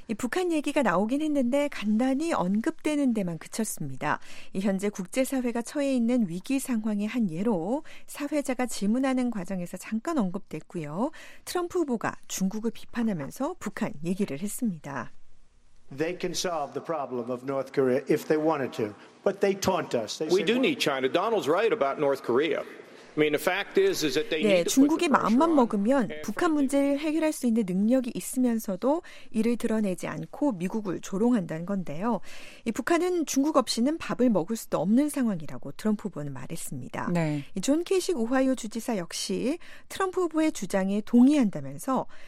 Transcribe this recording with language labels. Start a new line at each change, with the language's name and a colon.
Korean: 이 북한 얘기가 나오긴 했는데 간단히 언급되는 데만 그쳤습니다. 이 현재 국제사회가 처해 있는 위기 상황의 한 예로 사회자가 질문하는 과정에서 잠깐 언급됐고요. 트럼프 후보가 중국을 비판하면서 북한 얘기를 했습니다.
English: They can solve the problem of North Korea if they wanted to, but they taunt us. We do need China. Donald's right about North Korea. I mean, the fact is that they need.
Korean: 네, 중국이 마음만 먹으면 북한 문제를 해결할 수 있는 능력이 있으면서도 이를 드러내지 않고 미국을 조롱한다는 건데요. 이 북한은 중국 없이는 밥을 먹을 수도 없는 상황이라고 트럼프 후보는 말했습니다. 네. 존 케이식 오하이오 주지사 역시 트럼프 후보의 주장에 동의한다면서.